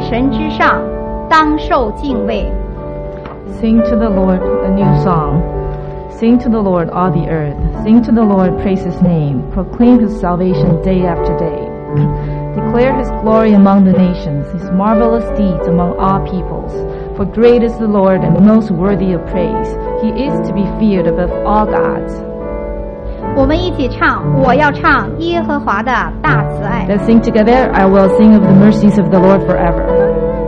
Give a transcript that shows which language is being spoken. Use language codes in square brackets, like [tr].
[zh] 唱新歌，全地都要向耶和华歌唱，要向耶和华歌唱，称颂他的名，天天传扬他的救恩，在列邦中述说他的荣耀，在万邦中述说他的奇事，因耶和华伟大，当受极大的赞美，他在万神之上，当受敬畏。 [en] Sing to the Lord a new song. Sing to the Lord, all the earth. Sing to the Lord, praise his name. Proclaim his salvation day after day. Declare his glory among the nations, his marvelous deeds among all peoples. For great is the Lord and most worthy of praise. He is to be feared above all gods. [zh] 我们一起唱，我要唱耶和华的大慈爱。 [en] Let's sing together. I will sing of the mercies of the Lord forever.